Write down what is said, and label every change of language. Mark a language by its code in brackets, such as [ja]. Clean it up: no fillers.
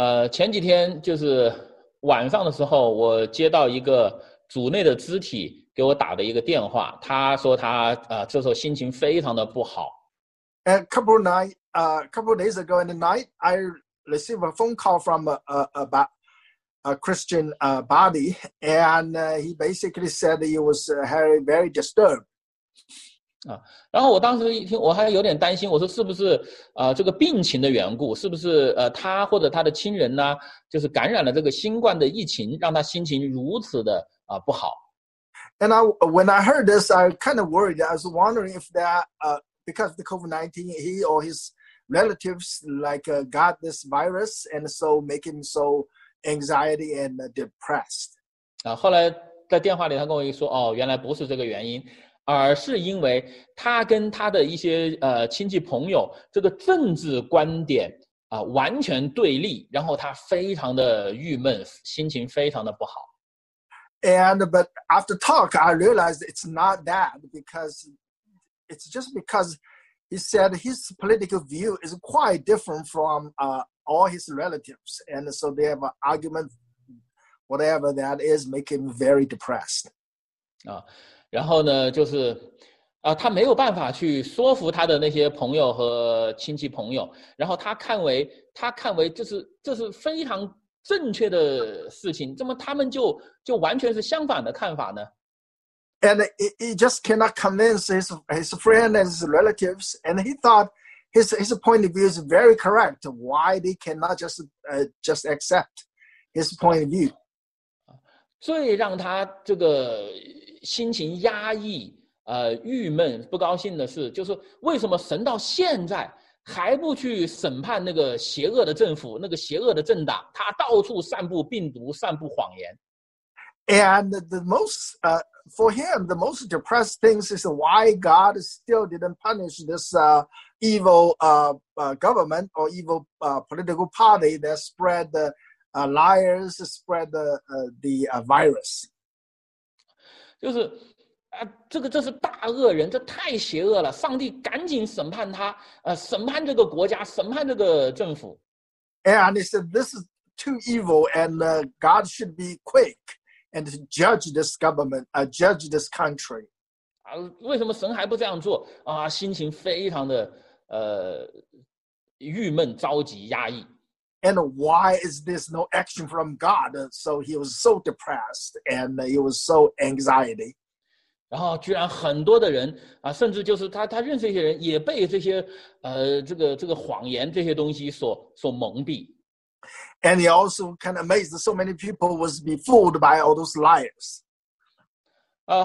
[zh] 前几天就是晚上的时候，我接到一个组内的肢体给我打的一个电话，他说他这时候心情非常的不好。 [en] And a couple of days ago in the night, I received a phone call from a Christian body, and he basically said he was very disturbed. [zh] 然后我当时一听，我还有点担心，我说是不是这个病情的缘故，是不是他或者他的亲人呢，就是感染了这个新冠的疫情，让他心情如此的不好。 [en] And when I heard this, I kind of worried. I was wondering if that because of the COVID-19, he or his relatives like got this virus and so make him so anxiety and depressed. [zh] 后来在电话里他跟我一说，哦，原来不是这个原因，而是因为他跟他的一些亲戚朋友这个政治观点完全对立，然后他非常的郁闷，心情非常的不好。 [en] But after talk, I realized it's not that because it's just because he said his political view is quite different from all his relatives. And so they have an argument, whatever that is, make him very depressed. [zh] 然后呢，就是他没有办法去说服他的那些朋友和亲戚朋友，然后他看为这是非常正确的事情，怎么他们就完全是相反的看法呢？ [en] And he just cannot convince his friend and his relatives, and he thought his point of view is very correct. Why they cannot just accept his point of view? [zh] 最让他这个心情压抑郁闷不高兴的是，就是为什么神到现在还不去审判那个邪恶的政府，那个邪恶的政党，他到处散布病毒，散布谎言。 [en] And the most, for him, the most depressed things is why God still didn't punish this evil government or evil political party that spread the liars, spread the virus. [zh] 就是这是大恶人，这太邪恶了，上帝赶紧审判他审判这个国家，审判这个政府。 [en] And he said this is too evil and God should be quick and to judge this government, judge this country. [zh] 为什么神还不这样做心情非常的郁闷着急压抑。 [en] And why is this no action from God? So he was so depressed and he was so anxiety. [zh] 然后居然很多的人甚至就是他认识一些人也被这些这个谎言这些东西所蒙蔽。 [en] And he also kind of amazed so many people was be fooled by all those liars.